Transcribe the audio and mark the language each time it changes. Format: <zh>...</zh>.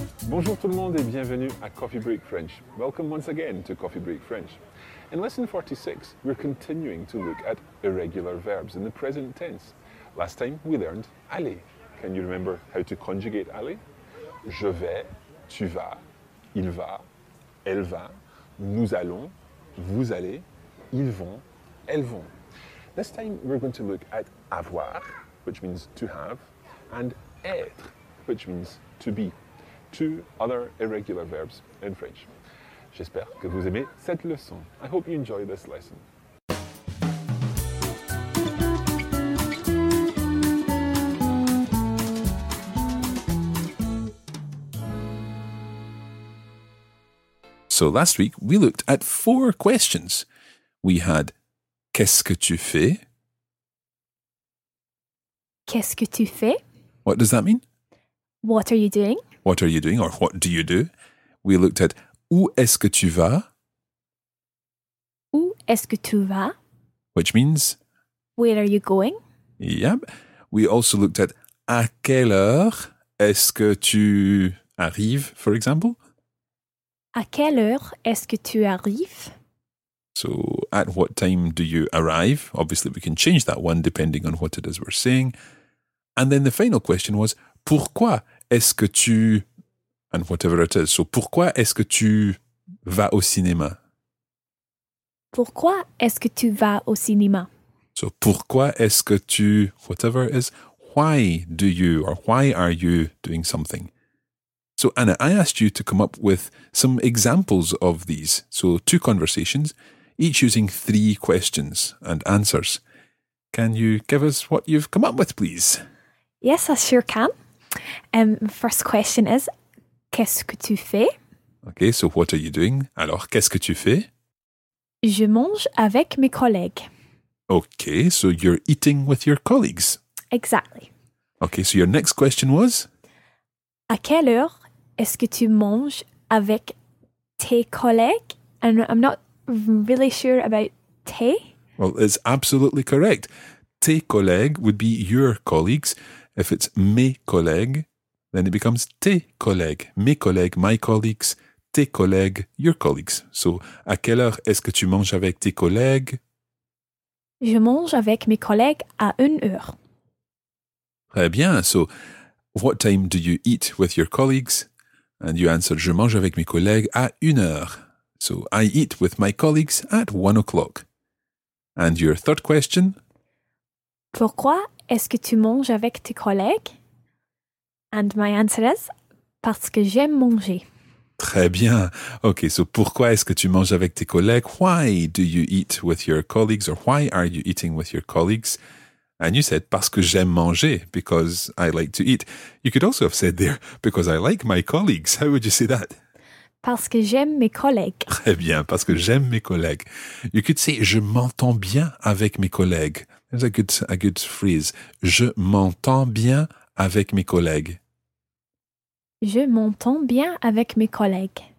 <fr>Bonjour tout le monde et bienvenue à Coffee Break French.</fr> <en>Welcome once again to Coffee Break French. In lesson 46, we're continuing to look at irregular verbs in the present tense. Last time, we learned aller. Can you remember how to conjugate aller?</en> <fr>Je vais, tu vas, il va, elle va, nous allons, vous allez, ils vont, elles vont.</fr> <en>This time, we're going to look at avoir, which means to have, and être, which means to be. Two other irregular verbs in French.</en> <fr>J'espère que vous aimez cette leçon.</fr> <en>I hope you enjoy this lesson. So last week, we looked at four questions. We had,</en> <fr>qu'est-ce que tu fais? Qu'est-ce que tu fais?</fr> <en>What does that mean? What are you doing? What are you doing, or what do you do? We looked at</en> <fr>où est-ce que tu vas? Où est-ce que tu vas?</fr> <en>Which means where are you going? Yep. We also looked at</en> <fr>à quelle heure est-ce que tu arrives,</fr> <en>for example?</en> <fr>À quelle heure est-ce que tu arrives?</fr> <en>So, at what time do you arrive? Obviously, we can change that one depending on what it is we're saying. And then the final question was pourquoi?</en> <fr>Est-ce que tu...</fr> <en>And whatever it is.</en> <fr>So, pourquoi est-ce que tu vas au cinéma? Pourquoi est-ce que tu vas au cinéma? So, pourquoi est-ce que tu...</fr> <en>Whatever it is. Why do you or why are you doing something? So, Anna, I asked you to come up with some examples of these. So, two conversations, each using three questions and answers. Can you give us what you've come up with, please? Yes, I sure can. First question is,</en> <fr>qu'est-ce que tu fais?</fr> <en>Okay, so what are you doing?</en> <fr>Alors, qu'est-ce que tu fais? Je mange avec mes collègues.</fr> <en>Okay, so you're eating with your colleagues. Exactly. Okay, so your next question was?</en> <fr>À quelle heure est-ce que tu manges avec tes collègues?</fr> <en>And I'm not really sure about tes. Well, it's absolutely correct.</en> <fr>Tes collègues</fr> <en>would be your colleagues. If it's</en> <fr>mes collègues,</fr> <en>then it becomes</en> <fr>tes collègues. Mes collègues,</fr> <en>my colleagues,</en> <fr>tes collègues,</fr> <en>your colleagues.</en> <fr>So, à quelle heure est-ce que tu manges avec tes collègues? Je mange avec mes collègues à 1 heure. Très bien.</fr> <en>So, what time do you eat with your colleagues? And you answer,</en> <fr>je mange avec mes collègues à 1 heure.</fr> <en>So, I eat with my colleagues at 1 o'clock. And your third question?</en> <fr>Pourquoi est-ce que tu manges avec tes collègues?</fr> <en>And my answer is,</en> <fr>parce que j'aime manger. Très bien. Okay, so pourquoi est-ce que tu manges avec tes collègues?</fr> <en>Why do you eat with your colleagues? Or why are you eating with your colleagues? And you said,</en> <fr>parce que j'aime manger,</fr> <en>because I like to eat. You could also have said there, because I like my colleagues. How would you say that?</en> <fr>Parce que j'aime mes collègues. Très bien, parce que j'aime mes collègues.</fr> <en>You could say,</en> <fr>je m'entends bien avec mes collègues.</fr> <en>That's a good phrase.</en> <fr>Je m'entends bien avec mes collègues. Je m'entends bien avec mes collègues.</fr>